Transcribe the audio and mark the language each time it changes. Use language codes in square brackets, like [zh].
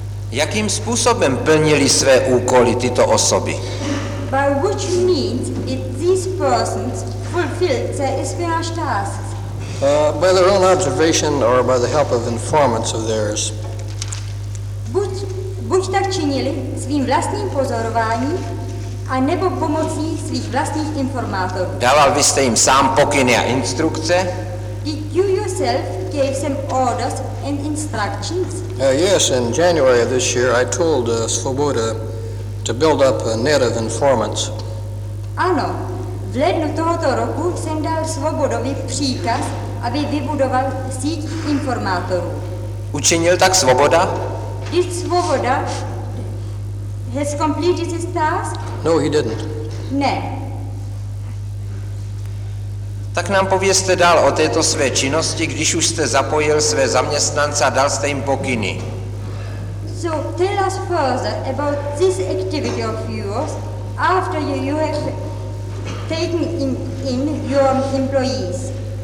[cs] Jakým způsobem plnili své úkoly tyto osoby? [en] By which means did these persons fulfill their espionage tasks? By their own observation or by the help of informants of theirs. [cs] Buď tak činili svým vlastním pozorováním, a nebo pomocí svých vlastních informátorů. Dával byste jim sám pokyny a instrukce? [en] Did you yourself gave some orders and instructions? Yes, in January of this year I told Svoboda to build up a net of informants. [cs] Ano, v lednu tohoto roku jsem dal Svobodovi příkaz, aby vybudoval síť informátorů. Učinil tak Svoboda? [en] Did Svoboda has completed his task? No, he didn't. [cs] Ne. Tak nám povězte dál o této své činnosti, když už jste zapojil své zaměstnance a dal jste jim pokyny. [en] So tell us further about this activity of yours after you have taken in your employees.